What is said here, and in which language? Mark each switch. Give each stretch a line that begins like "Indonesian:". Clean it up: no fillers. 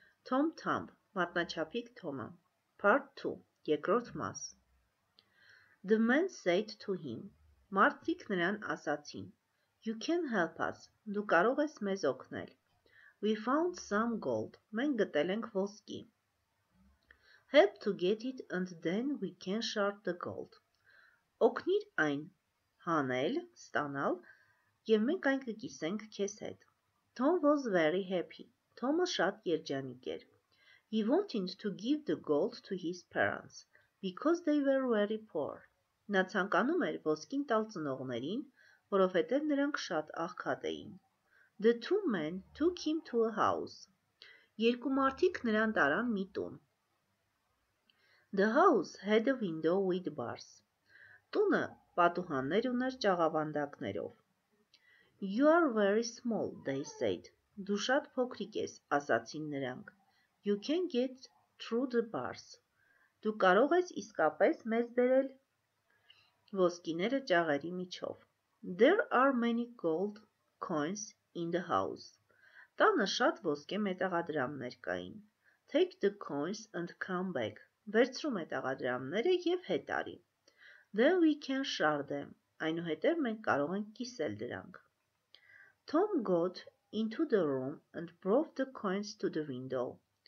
English: Tom Thumb,
Armenian: մատնաչափիկ Թոմը.
English: Part 2,
Armenian: երկրորդ մաս.
English: The man said to him,
Armenian: մարդիկ նրան ասացին,
English: you can help us,
Armenian: դու կարող ես մեզ օգնել.
English: We found some gold,
Armenian: մենք գտել ենք ոսկի.
English: Help to get it and then we can shard the gold.
Armenian: Օգնիր այն հանել, ստանալ, եւ մենք այն կկիսենք քեզ հետ.
English: Tom was very happy.
Armenian: Թոմը շատ երջանիկ էր.
English: He wanted to give the gold to his parents because they were very poor.
Armenian: Նա ցանկանում էր ոսկին տալ ծնողներին, որովհետեւ նրանք շատ աղքատ էին.
English: The two men took him to a house.
Armenian: Երկու մարդիկ նրան տարան մի տուն.
English: The house had a window with bars.
Armenian: Տունը պատուհաններ ուներ ճաղավանդակներով.
English: You are very small, they said.
Armenian: Դու շատ փոքրիկ ես, ասացին նրանք.
English: You can get through the bars.
Armenian: Դու կարող ես իսկապես մեզ բերել ոսկիները ճաղերի միջով.
English: There are many gold coins in the house.
Armenian: Տանը շատ ոսկե մետաղադրամներ կային.
English: Take the coins and come back.
Armenian: Վերցրու մետաղադրամները եւ հետ արի։
English: Then we can shard them.
Armenian: Այնուհետև մենք կարող ենք կիսել դրանք։
English: Tom got into the room and brought the coins to the window.